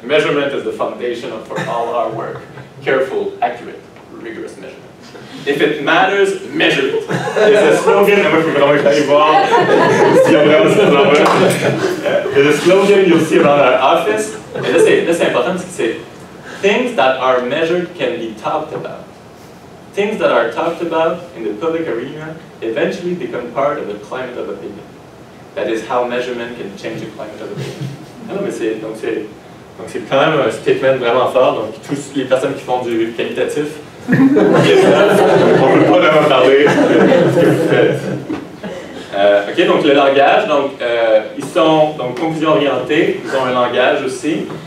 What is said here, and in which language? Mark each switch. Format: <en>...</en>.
<en>Measurement is the foundation for all our work. Careful, accurate, rigorous measurement. If it matters, measure it.</en> <fr>C'est le slogan, il faut vraiment que j'aille voir s'il y a vraiment ce slogan. C'est le slogan,</fr> <en>you'll see around our office.</en> <fr>Et là, c'est important parce que c'est.</fr> <en>Things that are measured can be talked about. Things that are talked about in the public arena eventually become part of the climate of opinion. That is how measurement can change the climate of opinion.</en> <fr>Non, mais c'est quand même un statement vraiment fort. Donc, toutes les personnes qui font du qualitatif, on ne peut pas vraiment parler de ce que vous faites. OK, donc le langage, donc, ils sont donc conclusion orientée, ils ont un langage aussi.</fr>